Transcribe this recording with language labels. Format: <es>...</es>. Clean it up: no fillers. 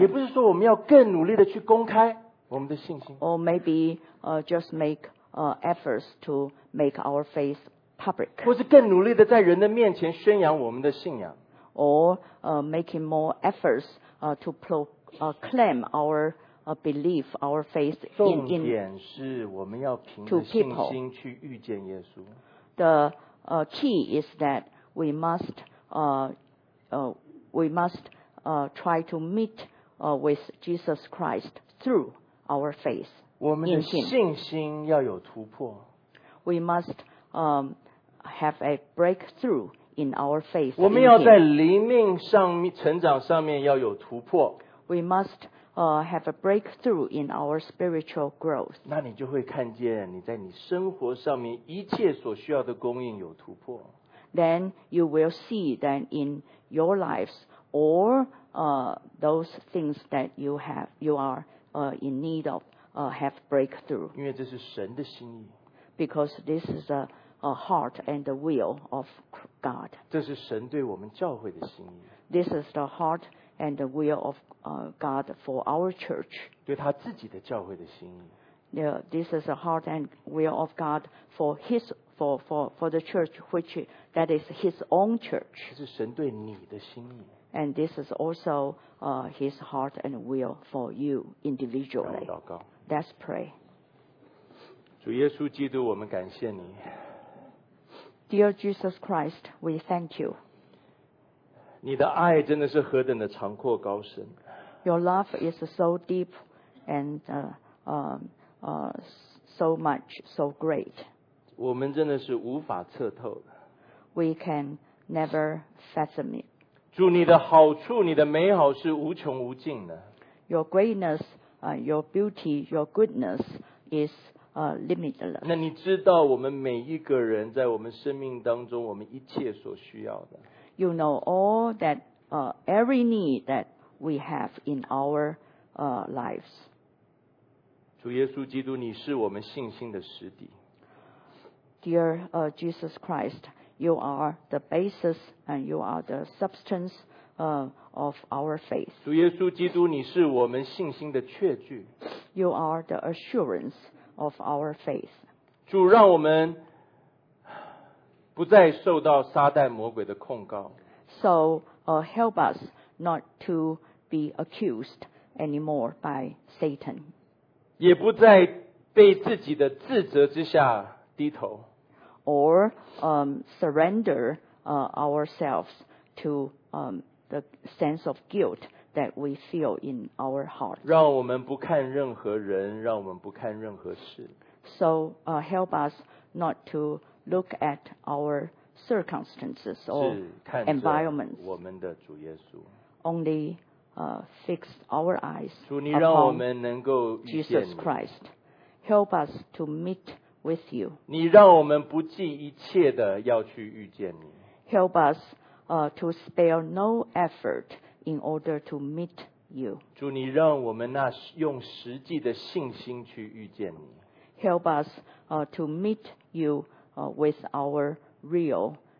<zh>也不是说我们要更努力的去公开我们的信心。</zh> <en>Or maybe just make efforts to make our faith public.</en> <zh>或是更努力的在人的面前宣扬我们的信仰。</zh> <en>Or making more efforts to proclaim our belief, our faith in people.</en> <zh>重点是我们要凭着信心去遇见耶稣。</zh> <en>The key is that we must try to meet with Jesus Christ through our faith.</en> <zh>我们的信心要有突破。</zh> <en>We must have a breakthrough in our faith.</en> <zh>我们要在灵命上成长上面要有突破。</zh> <en>We must have a breakthrough in our spiritual growth.</en> <zh>那你就会看见你在你生活上面一切所需要的供应有突破。</zh> <en>Then you will see that in your lives or those things that you have, you are in need of have breakthrough.</en> <zh>因为这是神的心意。</zh> <en>Because this is a heart and the will of God.</en> <zh>这是神对我们教会的心意。</zh> <en>This is the heart and the will of God for our church.</en> <zh>对他自己的教会的心意。</zh> <en>This is the heart and will of God for his for the church, which that is his own church.</en> <zh>这是神对你的心意。</zh> <en>And this is also his heart and will for you individually.</en> <zh>祷告。</zh> <en>Let's pray.</en> <zh>主耶稣基督，我们感谢你。</zh> <en>Dear Jesus Christ, we thank you.</en> <zh>你的爱真的是何等的长阔高深。</zh> <en>Your love is so deep and so much, so great.</en> <zh>我们真的是无法测透的。</zh> <en>We can never fathom it.</en> <zh>主，你的好处，你的美好是无穷无尽的。</zh> <en>Your greatness, your beauty, your goodness is limitless.</en> <zh>那你知道我们每一个人在我们生命当中，我们一切所需要的。</zh> <en>You know all that, every need that we have in our lives.</en> <zh>主耶稣基督，你是我们信心的实底。</zh> <en>Dear Jesus Christ, you are the basis and you are the substance of our faith.</en> <zh>主耶稣基督，你是我们信心的确据。</zh> <en>You are the assurance of our faith.</en> <zh>主，让我们不再受到撒旦魔鬼的控告。</zh> <en>So help us not to be accused anymore by Satan.</en> <zh>也不再被自己的自责之下低头。</zh> <en>Or surrender ourselves to the sense of guilt that we feel in our heart.</en> <zh>让我们不看任何人，让我们不看任何事。</zh> <en>So help us not to look at our circumstances or environments.</en> <zh>我们的主耶稣。</zh> <en>Only fix our eyes.</en> <zh>主，你让我们能够遇见你。</zh> <en>Jesus Christ, help us to meet with you.</en> <zh>你让我们不计一切的要去遇见你。</zh> <en>Help us to spare no effort in order to meet you.</en> <zh>主，你让我们那用实际的信心去遇见你。</zh> <en>Help us to meet you with our real</en>